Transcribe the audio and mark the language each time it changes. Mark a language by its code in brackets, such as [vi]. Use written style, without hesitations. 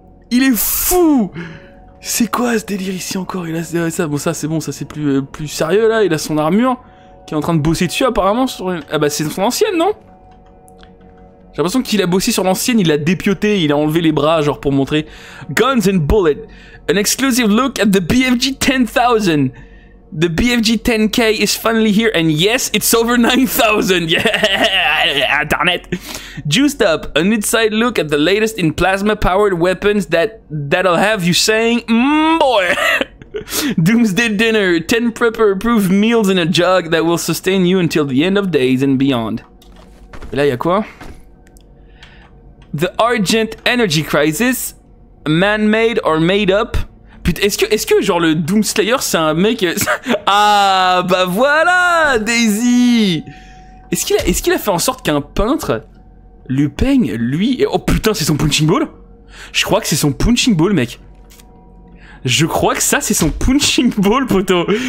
[fr] Il est fou. C'est quoi ce délire ici encore? Il a ça. Bon, ça c'est bon. Ça c'est plus sérieux là. Il a son armure qui est en train de bosser dessus apparemment. Ah bah c'est son ancienne, non? J'ai l'impression qu'il a bossé sur l'ancienne, il l'a dépioté, il a enlevé les bras, genre pour montrer. [en] Guns and Bullets. An exclusive look at the BFG 10,000. The BFG 10K is finally here, and yes, it's over 9,000. Yeah, internet. Juiced up. An inside look at the latest in plasma-powered weapons that'll have you saying, boy. Doomsday dinner. 10 prepper-approved meals in a jug that will sustain you until the end of days and beyond. [fr] Et là, y'a quoi? [en] The Argent Energy Crisis, man-made or made up. [fr] Putain, est-ce que genre le Doom Slayer c'est un mec? Ah bah voilà Daisy. Est-ce qu'il a fait en sorte qu'un peintre lui peigne lui? Et... Oh putain, c'est son punching ball. Je crois que c'est son punching ball, mec. Je crois que ça c'est son punching ball, poteau.